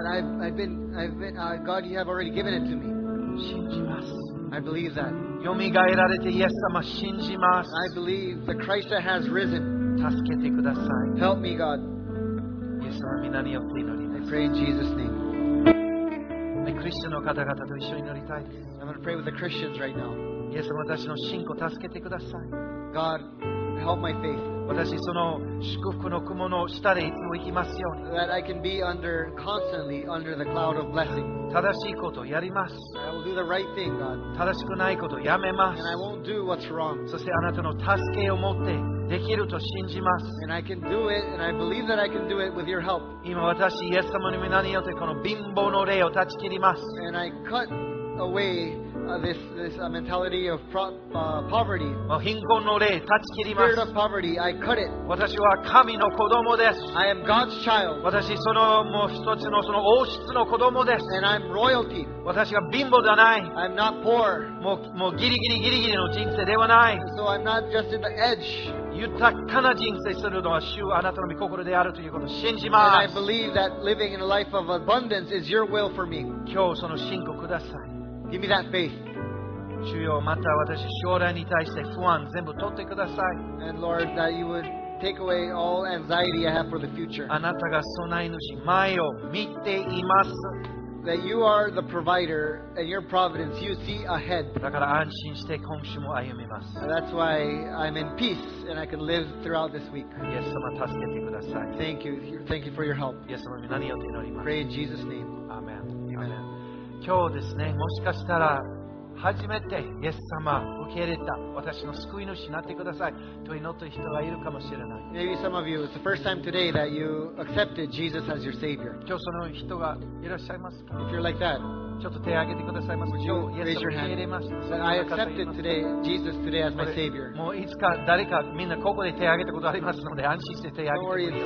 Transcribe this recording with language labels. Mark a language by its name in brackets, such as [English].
[English] That God, you have already given it to me. [Japanese] 信じます。 [English] I believe that. [Japanese] よみがえられてイエス様信じます。 [English] I believe the Christ that has risen. [Japanese] 助けてください。 [English] Help me, God. [Japanese] イエス様、皆によって祈ります。 [English] I pray in Jesus' name. [Japanese] はい、クリスチャンの方々と一緒に祈りたいです。 [English] I'm going to pray with the Christians right now. [Japanese] イエス様、私の信仰助けてください。 [English] God, help my faith. [Japanese] 私その祝福の雲の下でいつも行きますように。 [English] That I can be under, constantly under the cloud of blessing. [Japanese] 正しいことをやります。 [English] I will do the right thing, God. [Japanese] 正しくないことをやめます。 [English] And I won't do what's wrong. [Japanese] そしてあなたの助けを持って、できると信じます。 [English] And I can do it, and I believe that I can do it with your help. [Japanese] 今私、イエス様の皆によってこの貧乏の霊を断ち切ります。 [English] And I cut away this mentality of poverty. [Japanese] 貧困の霊断ち切ります。 [English] Spirit of poverty, I cut it. [Japanese] 私は神の子供です。 [English] I am God's child. [Japanese] 私そのもう一つのその王室の子供です。 [English] And I'm royalty. [Japanese] 私は貧乏ではない。 [English] I'm not poor. [Japanese] もうギリギリギリギリの人生ではない。 [English] So I'm not just in the edge. [Japanese] 豊かな人生するのは主あなたの御心であるということを信じます。 [English] And I believe that living in a life of abundance is your will for me. [Japanese] 今日その信仰ください。 [English] Give me that faith. [Japanese] 主よ、また私将来に対して不安全部取ってください。 [English] And Lord, that you would take away all anxiety I have for the future. [Japanese] あなたが備え主、前を見ています。 [English] That you are the provider and your providence, you see ahead. [Japanese] だから安心して今週も歩みます。 [English] That's why I'm in peace and I can live throughout this week. [Japanese] イエス様、助けてください。 [English] Thank you. Thank you for your help. [Japanese] イエス様、皆によって祈ります。 [English] Pray in Jesus' name. Amen. Amen. [Japanese] 今日ですね、もしかしたら初めてイエス様受け入れた私の救い主になってくださいと祈った人がいるかもしれない。 [English] Maybe some of you, it's the first time today that you accepted Jesus as your Savior. [Japanese] 今日その人がいらっしゃいますか。 [English] If you're like that, [Japanese] ちょっと手を挙げてくださいますか。 [English] Would you raise your hand? I accepted today Jesus today as my Savior. [Japanese] もういつか誰かみんなここで手を挙げたことありますので安心して手を挙げてください。